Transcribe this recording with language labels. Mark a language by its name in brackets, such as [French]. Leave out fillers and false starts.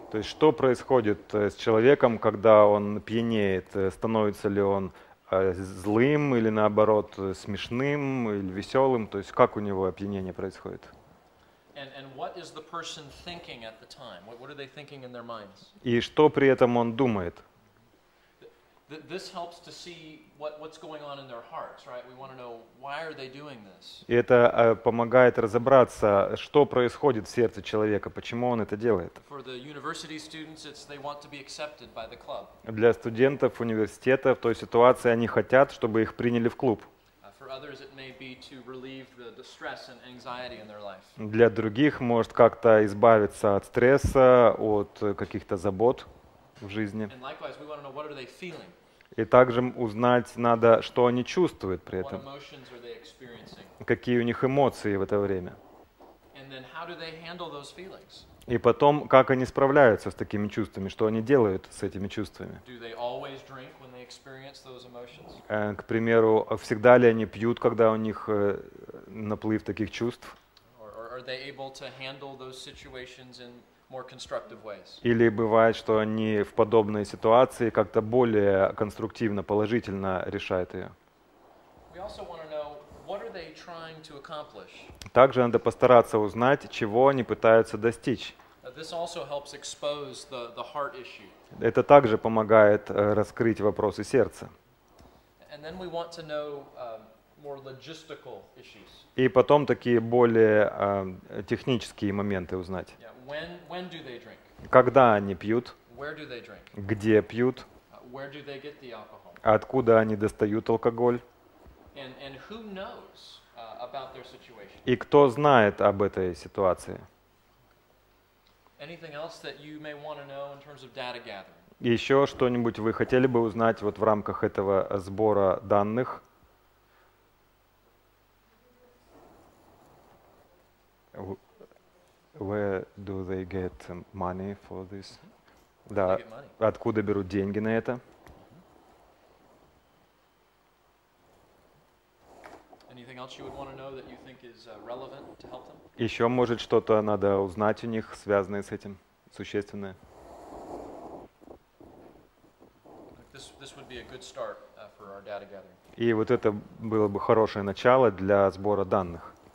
[Russian] То есть что происходит с человеком, когда он пьянеет? Становится ли он злым или наоборот смешным или веселым? То есть как у него опьянение происходит? [English] And what is the person thinking at the time? What are they thinking in their minds? [Russian] И что при этом он думает? [English] This helps to see what's going on in their hearts, right? We want to know why are they doing this. [Russian] И это помогает разобраться, что происходит в сердце человека, почему он это делает. [English] For the university students, it's they want to be accepted by the club. [Russian] Для студентов университета в той ситуации они хотят, чтобы их приняли в клуб. [English] For others, it may be to relieve the distress and anxiety in their life. [Russian] Для других может как-то избавиться от стресса, от каких-то забот в жизни. [English] And likewise, we want to know what are they feeling. [Russian] И также узнать надо, что они чувствуют при этом. [English] What emotions are they experiencing? [Russian] Какие у них эмоции в это время. [English] And then how do they handle those feelings? [Russian] И потом, как они справляются с такими чувствами, что они делают с этими чувствами. [English] Do they always drink when they experience those emotions? [Russian] К примеру, всегда ли они пьют, когда у них наплыв таких чувств? [English] Or are they able to handle those situations in more constructive ways? [Russian] Или бывает, что они в подобной ситуации как-то более конструктивно, положительно решают ее. [English] We also want to know, what are they trying to accomplish? [Russian] Также надо постараться узнать, чего они пытаются достичь. [English] This also helps expose the heart issue. [Russian] Это также помогает раскрыть вопросы сердца. [English] And then we want to know more logistical issues. [Russian] И потом такие более технические моменты узнать. [English] Yeah. When do they drink? [Russian] Когда они пьют? [English] Where do they drink? [Russian] Где пьют? [English] Where do they get the alcohol? [Russian] Откуда они достают алкоголь? [English] And who knows about their situation? [Russian] И кто знает об этой ситуации? [English] Anything else that you may want to know in terms of data gathering? [Russian] Еще что-нибудь вы хотели бы узнать вот в рамках этого сбора данных? [English] Where do they get money for this? Where do they get money? [Russian] Откуда берут деньги на это? [English] Anything else you would want to know that you think is relevant to help them? [Russian] Еще может что-то надо узнать у них, связанное с этим, существенное? [English] This would be a good start for our data gathering. [Russian] И вот это было бы хорошее начало для сбора данных.